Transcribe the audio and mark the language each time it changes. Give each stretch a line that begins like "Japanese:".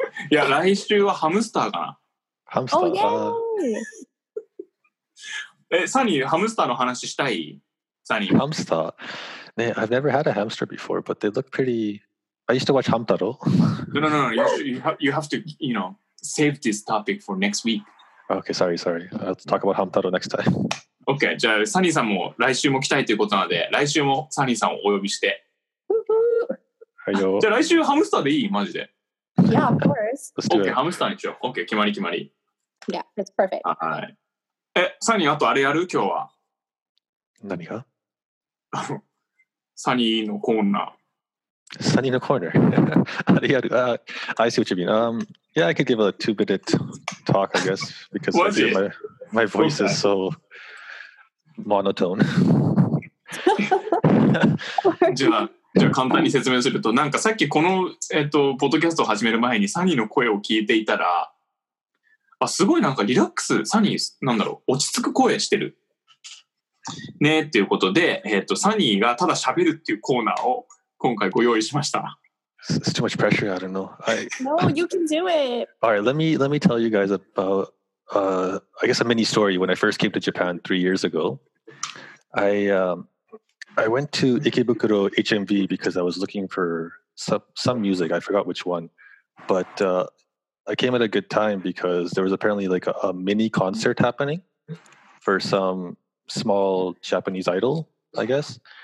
Japanese: いや、来週はハムスターかな。ハムスター。
English: Oh, yay!
Japanese: サニー、ハムスターの話したい？サニー。ハムスター。
English: Man, I've never had a hamster before, but they look pretty... I used to watch Hamtaro. No. You have to, you know, save this topic for next week. Okay, sorry. I'll talk about Hamtaro next time.
Japanese: Okay, じゃあ、サニーさんも来週も来たいということなので、来週もサニーさんをお呼びして。はいよ。じゃあ、来週ハムスターでいい？マジで。
English: Yeah, of course.
Japanese: Okay, ハムスターにしよう。Okay, 決まり。
English: Yeah, it's perfect.
Japanese: はい。サニー、あとあれやる？今日は。何が？サニーのコーナー。サニーのコーナー。あれやる。
English: I see what you mean. Yeah, I could give a two-minute talk, I guess, because I feel my voice is so monotone.
Japanese: じゃあ簡単に説明すると、なんかさっきこのポッドキャストを始める前にサニーの声を聞いていたら、あ、すごいなんかリラックス、サニーなんだろう、落ち着く声してる。ねっていうことで、サニーがただ喋るっていうコーナーを今回ご用意しました。
English: It's too much pressure. I don't know. No, you can do it. All right, let me tell you guys about I guess a mini story. When I first came to Japan 3 years ago, I went to Ikebukuro HMV because I was looking for some music. I forgot which one, but I came at a good time because there was apparently like a mini concert happening for some small Japanese idol, I guess.